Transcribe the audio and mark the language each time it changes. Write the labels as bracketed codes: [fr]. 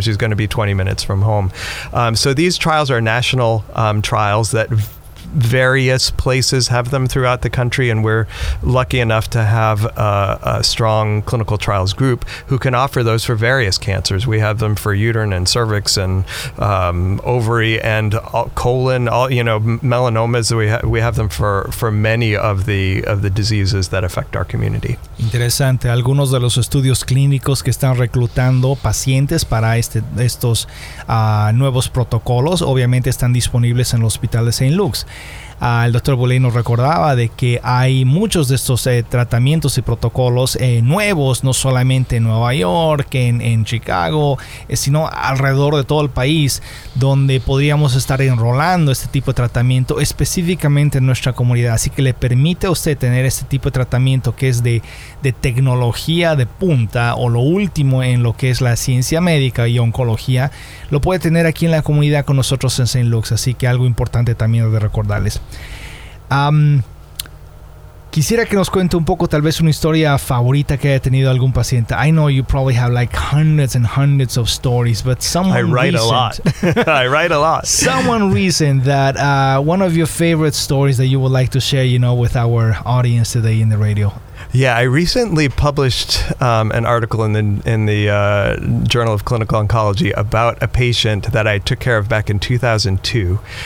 [en] She's going to be 20 minutes from home. So these trials are national trials that various places have them throughout the country, and we're lucky enough to have a strong clinical trials group who can offer those for various cancers. We have them for uterine and cervix and ovary and colon, all, you know, melanomas. We have them for many of the diseases that affect our community. [es] Interesante. Algunos de los estudios clínicos que están reclutando pacientes para estos nuevos protocolos obviamente están disponibles en el Hospital de St. Luke's. El doctor Boulay nos recordaba de que hay muchos de estos tratamientos y protocolos nuevos, no solamente en Nueva York, en Chicago, sino alrededor de todo el país, donde podríamos estar enrolando este tipo de tratamiento específicamente en nuestra comunidad. Así que le permite a usted tener este tipo de tratamiento que es de tecnología de punta o lo último en lo que es la ciencia médica y oncología, lo puede tener aquí en la comunidad con nosotros en St. Luke's. Así que algo importante también de recordarles. Quisiera que nos cuente un poco, tal vez una historia favorita que haya tenido algún paciente. [en] I know you probably have like hundreds and hundreds of stories, but someone I write recent, a lot. I write a lot. Someone recent that one of your favorite stories that you would like to share, you know, with our audience today in the radio. Yeah, I recently published an article in the Journal of Clinical Oncology about a patient that I took care of back in 2002.